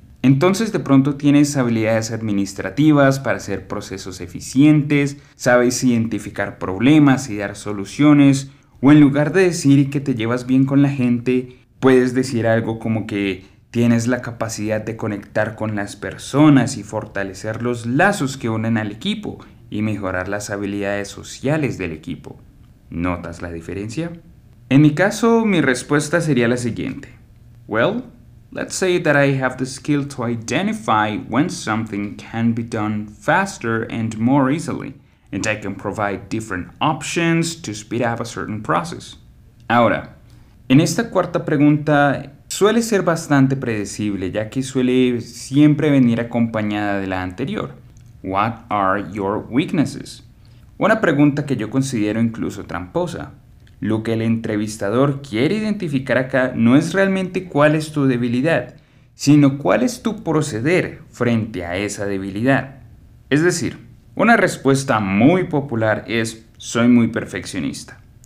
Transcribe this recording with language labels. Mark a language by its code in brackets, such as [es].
[es] Entonces, de pronto tienes habilidades administrativas para hacer procesos eficientes, sabes identificar problemas y dar soluciones, o en lugar de decir que te llevas bien con la gente, puedes decir algo como que tienes la capacidad de conectar con las personas y fortalecer los lazos que unen al equipo y mejorar las habilidades sociales del equipo. ¿Notas la diferencia? En mi caso, mi respuesta sería la siguiente. [en] Well, let's say that I have the skill to identify when something can be done faster and more easily, and I can provide different options to speed up a certain process. [es] Ahora, en esta cuarta pregunta suele ser bastante predecible, ya que suele siempre venir acompañada de la anterior. [en] What are your weaknesses? [es] Una pregunta que yo considero incluso tramposa. Lo que el entrevistador quiere identificar acá no es realmente cuál es tu debilidad, sino cuál es tu proceder frente a esa debilidad. Es decir, una respuesta muy popular es "soy muy perfeccionista".